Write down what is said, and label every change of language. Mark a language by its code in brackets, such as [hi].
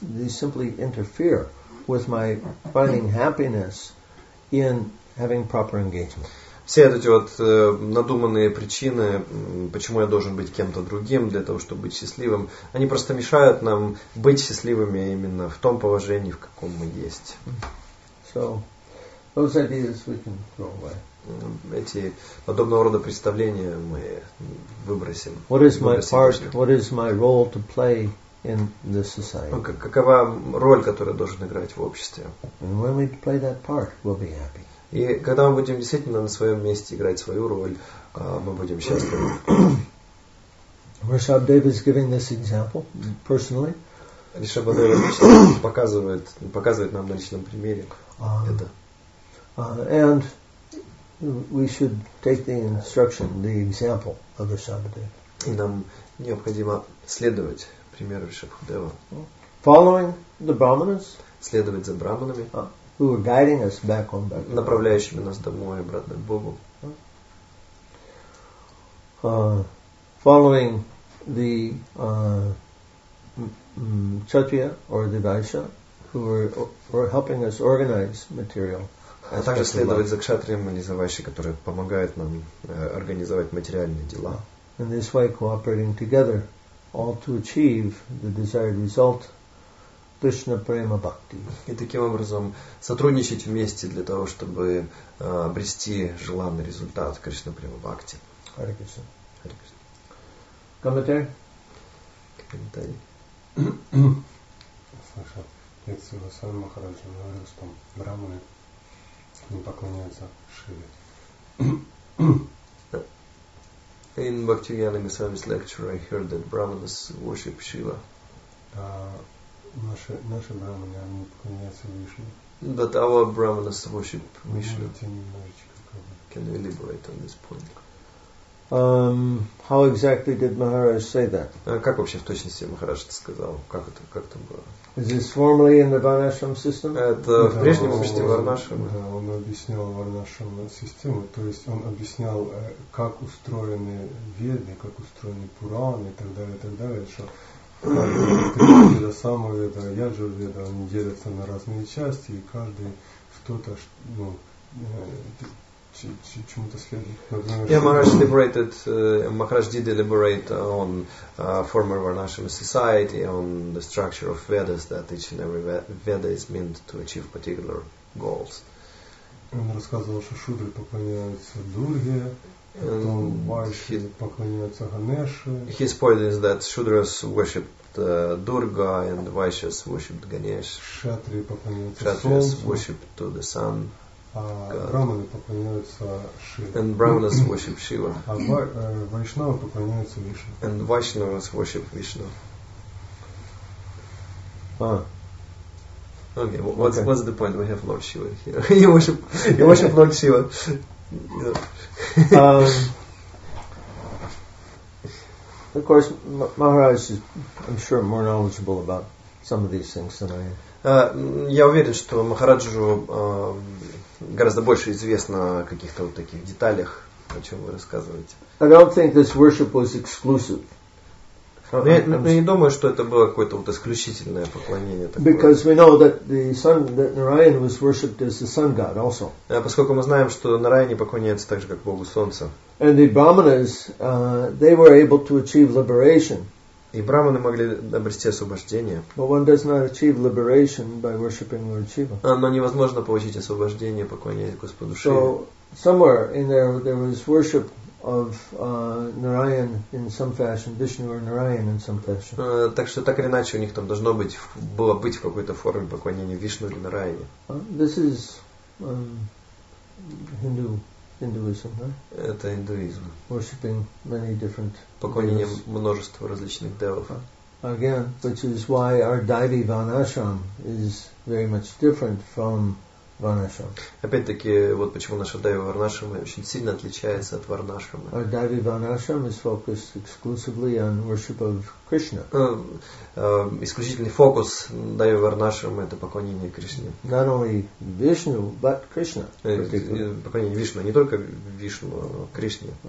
[en] They simply interfere with my finding happiness in having proper engagement. [ru] Все эти вот надуманные причины, почему я должен быть кем-то другим для того, чтобы быть счастливым, они просто мешают нам быть счастливыми именно в том положении, в каком мы есть. [en] So, those ideas we can throw away. [ru] Эти подобного рода представления мы выбросим. [en] What is my part? What is my role to play in this society? [ru] Какова роль, которую должен играть в обществе? [en] And when we play that part, we'll be happy. [ru] И когда мы будем действительно на своем месте играть свою роль, мы будем счастливы. [en] Ришабхадева is giving this example personally. [ru] Ришабхадева показывает нам на личном примере это. [en] And we should take the instruction, the example of Ришабхадева. [ru] И нам необходимо следовать примеру Ришабхадева. [en] Following the brahmanas. [ru] Следовать за брахманами. [en] Who are guiding us back home, back home. [ru] Направляющими нас домой, обратно к Богу. [en] Following the Kshatriya or the Vaishya, who are helping us organize material. [ru] А также следовать за Кшатрием или за Вайшей, которые помогают нам организовать материальные дела. [en] In this way, cooperating together, all to achieve the desired result. [ru] Кришна Према Бхакти. И таким образом сотрудничать вместе для того, чтобы обрести желанный результат Кришна Према Бхакти. Харе Кришна. Харе Кришна. Комментарий? Саша, если вы сами Махараджи говорили, что брахманы не поклоняются Шиве. [en] In Bhaktivedanta Goswami's lecture I heard that brahmanas worship Shiva. [ru] Наши брахманы, они поклоняются Вишне. [en] But our brahmanas worship Vishnu. Can we elaborate on this point? How exactly did Maharaj say that? [ru] Как вообще в точности Махарадж это сказал? Как это было? [en] Is this formally in the Varnashram system? [ru] Это в прежнем обществе Варнашрама. Да, он объяснял Варнашрам систему, то есть он объяснял, как устроены Веды, как устроены Пураны и так далее, что Это самое веда, яджурведа, они делятся на разные части, и каждый что-то, ну, чему-то следует. [en] Yeah, Maharaj deliberated, Maharaj did deliberate on former Varnashram society, on the structure of Vedas, that each and every Veda is meant to achieve particular goals. [ru] Он рассказывал, что шудры поклоняются Дурге. [en] He spoiled is that Shudras worshipped Durga and Vaishyas worshipped Ganesh. Kshatriyas worshipped to the sun. [ru] Brahmanas поклоняются Шиве. [en] And Brahmanas worship Shiva. [ru] Vaishnava поклоняются Вишну. [en] And Vaishnavas worship Vishnu. Okay, what's the point? We have Lord Shiva here. you worship Lord Shiva. Of course, Maharaj is, I'm sure, more knowledgeable about some of these things than I am. [ru] Я уверен, что Махараджу гораздо больше известно о каких-то вот таких деталях, о чем вы рассказываете. [en] I don't think this worship was exclusive. [ru] Я не думаю, что это было какое-то вот исключительное поклонение. Такое. [en] Because we know that the sun, that Narayan was worshipped as the sun god also. [ru] Поскольку мы знаем, что Нараяне поклоняется так же, как Богу Солнца. [en] And the brahmanas, they were able to achieve liberation. [ru] И брахманы могли обрести освобождение. [en] But one does not achieve liberation by worshipping Lord Shiva. [ru] Но невозможно получить освобождение, поклоняясь Господу Шиве. [en] So somewhere in there was worship. Of Narayan in some fashion, Vishnu or Narayan in some fashion. [ru] Так что так или иначе у них там должно быть было быть в какой-то форме поклонения Вишну или Нараяне. [en] This is Hindu Hinduism, да? [ru] Это индуизм. [en] Worshipping many different devas. [ru] Поклонение множества различных девов. [en] Again, which is why our Daivi Vanashram is very much different from Varnashram. [ru] Опять-таки, вот почему наша Дайви Варнашрама очень сильно отличается от Варнашрама. [en] Our Daivi Vanashram is focused exclusively on worship of Krishna. [ru] Исключительный фокус Дайви Варнашрама — это поклонение Кришне. [en] Not only Vishnu, but Krishna. [ru] Поклонение Вишну, не только Вишну, но Кришне.